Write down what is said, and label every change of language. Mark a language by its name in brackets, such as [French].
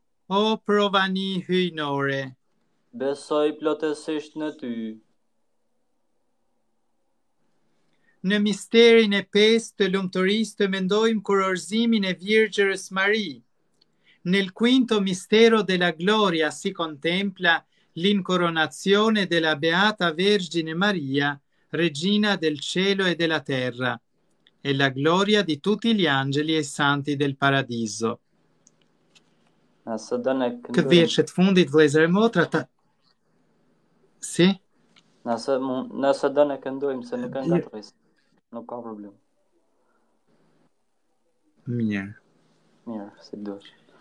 [Albanian] O provani hyjnore, besoj plotësisht në ty. Në misterin e pesë të lumturisë të mendojmë kurorëzimin e Virgjërës Mari. [Italian] Nel quinto mistero della gloria si contempla l'incoronazione della Beata Vergine Maria, Regina del Cielo e della Terra, e la gloria di tutti gli angeli e santi del Paradiso. [Albanian] Këtë vjetë që të fundit, vlezër e motra, ta... Si? Nëse dënë e këndojmë, se nuk e nga të rrisë. Nuk ka problem. Mirë. Mirë, si duhet.